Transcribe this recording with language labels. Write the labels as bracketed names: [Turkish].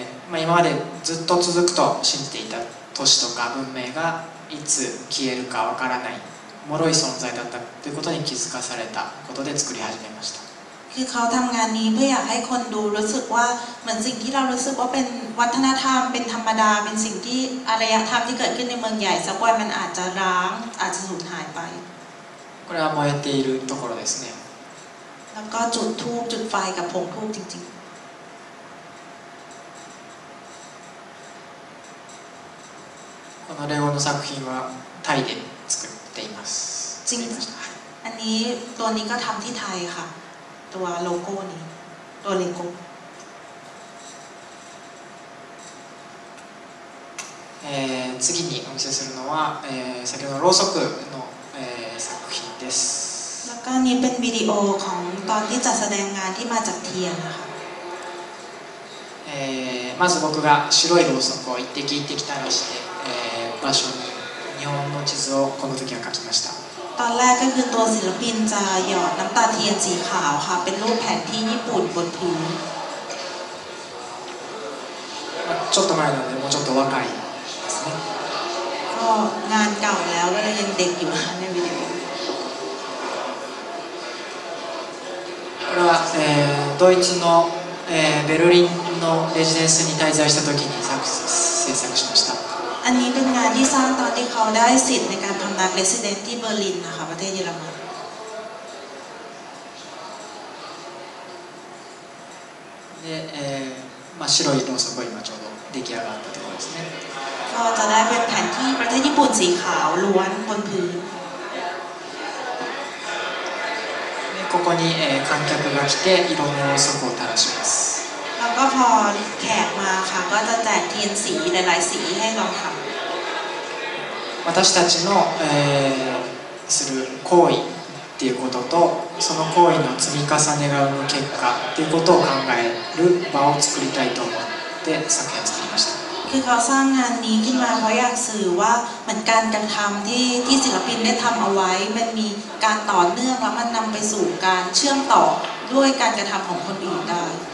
[Japanese] まあ今までずっと続くと信じていた都市とか文明がいつ消えるかわからない脆い存在だったということに気づかされたことで作り始めました [Thai] คือเขาทำงานนี้เพื่ออยากให้คนดูรู้สึกว่าเหมือนสิ่งที่เรารู้สึกว่าเป็นวัฒนธรรมเป็นธรรมดาเป็นสิ่งที่อารยธรรมที่เกิดขึ้นในเมืองใหญ่สักวันมันอาจจะร้างอาจจะสูญหายไป [Japanese] これは燃えているところですね [Thai] แล้วก็จุดธูปจุดไฟกับผงธูปจริง [Japanese] ๆこのレゴの作品はタイで作っています [Thai] จริงอันนี้ตัวนี้ก็ทำที่ไทยค่ะตัวโลโก้นี้ตัวเลโก้ [Japanese] 次にお見せするのは先ほどのろうそくの作品です [Thai] แล้วก็นี้เป็นวิดีโอของตอนที่จัดแสดงงานที่มาจากเทียนนะคะ [Japanese] まず僕が白いろうそくを一滴一滴垂らして場所に日本の地図をこの時は描きました [Thai] ตอนแรกก็คือตัวศิลปินจะหยอดน้ำตาเทียนสีขาวค่ะเป็นรูปแผนที่ญี่ปุ่นบนผืน [Japanese] ちょっと前なんでもうちょっと若い [Thai] ก็งานเก่าแล้วก็เลยยังเด็กอยู่ในวิดีโ [Japanese] อこれはドイツのベルリンのレジデンスに滞在した時に制作しました [Thai] อันนี้เป็นงานที่สร้างตอนที่เขาได้สิทธิ์ในการทำงานเรสซิเดนต์ที่เบอร์ลินนะคะประเทศเยอรมัน [Japanese] で、まあ白いろうそく今ちょうど出来上がったところですね。 [Thai] ก็จะได้เป็นแผ่นที่ประเทศญี่ปุ่นสีขาวล้วนบนพื้น [Japanese] で、ここに観客が来て、いろんなろうそくを垂らします [Thai] แล้วก็พอแขกมาค่ะก็จะแจกเทียนสีหลายๆสีให้เราทำ [Japanese] 私たちのする行為っていうこととその行為の積み重ねが生む結果っていうことを考える場を作りたいと思って作品を作りました。 [Thai] คือเขาสร้างงานนี้ขึ้นมาเพราะอยากสื่อว่ามันการกระทำที่ศิลปินได้ทำเอาไว้มันมีการต่อเนื่องแล้วมันนำไปสู่การเชื่อมต่อด้วยการกระทำของคนอื่นได้